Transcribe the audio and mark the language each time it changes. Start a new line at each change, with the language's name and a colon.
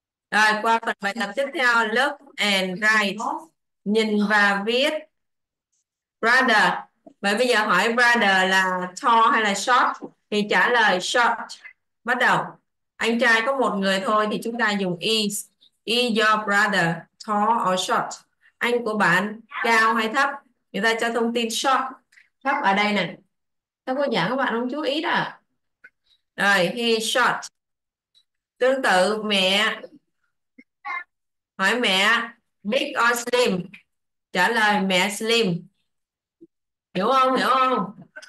Vietnamese: Rồi qua phần bài tập tiếp theo,
English: look and write.
Vietnamese: Nhìn và viết. Brother. Vậy bây giờ hỏi brother là tall hay là short thì trả lời short. Bắt đầu. Anh trai có một người thôi thì chúng ta dùng is.
English: Is your brother tall or short?
Vietnamese: Anh của bạn cao hay thấp? Người ta cho thông tin short. Thấp ở đây nè. Các cô giảng các bạn không chú ý đó. Rồi,
English: he short.
Vietnamese: Tương tự mẹ. Hỏi mẹ
English: big or slim?
Vietnamese: Trả lời mẹ slim. Hiểu không? Hiểu không?